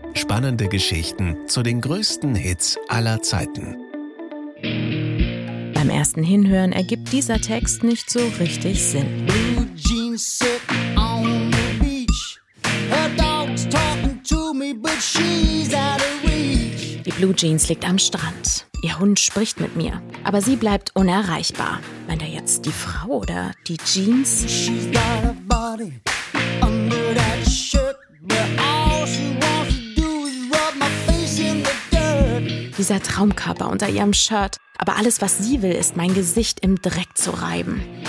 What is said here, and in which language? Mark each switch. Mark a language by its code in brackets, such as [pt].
[de] Spannende Geschichten zu den größten Hits aller Zeiten. Beim ersten Hinhören ergibt dieser Text nicht so richtig Sinn. [en] Blue Jeans sit on the beach. Her dog's talking to me, but she's out of reach. [de] Die Blue Jeans liegt am Strand. Ihr Hund spricht mit mir, aber sie bleibt unerreichbar. Meint er jetzt die Frau oder die Jeans? [en] She's got a body under that shirt, but all she wants to do is rub my face in the dirt. [de] Dieser Traumkörper unter ihrem Shirt. Aber alles, was sie will, ist, mein Gesicht im Dreck zu reiben.